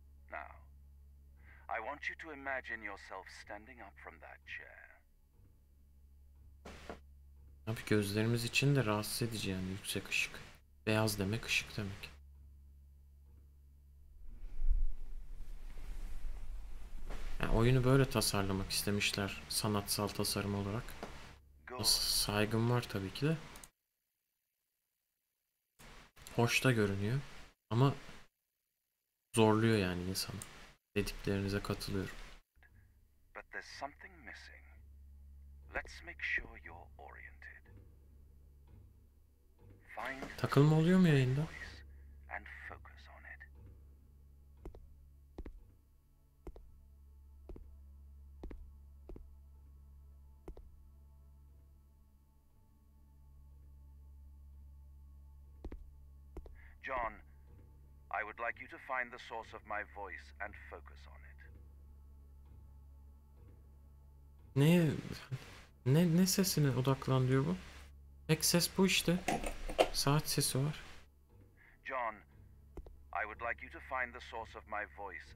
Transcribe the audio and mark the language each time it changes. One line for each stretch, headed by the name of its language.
English: Now, I want you to imagine yourself standing up from that chair.
Turkish: Abi gözlerimiz için de rahatsız edici yani, yüksek ışık. Beyaz demek ışık demek. Yani oyunu böyle tasarlamak istemişler sanatsal tasarım olarak. Saygım var tabii ki de. Hoş da görünüyor ama zorluyor yani insanı. Dediklerinize katılıyorum.
English: But there's something missing. Let's make sure you're oriented.
Turkish: Find takılma oluyor mu yayında?
English: And focus on it. John, I would like you to find the source of my voice and focus on it.
Turkish: Ne sesine odaklan diyor bu? Tek ses bu işte. Saat sesi var.
English: John, I would like you to find the source of my voice.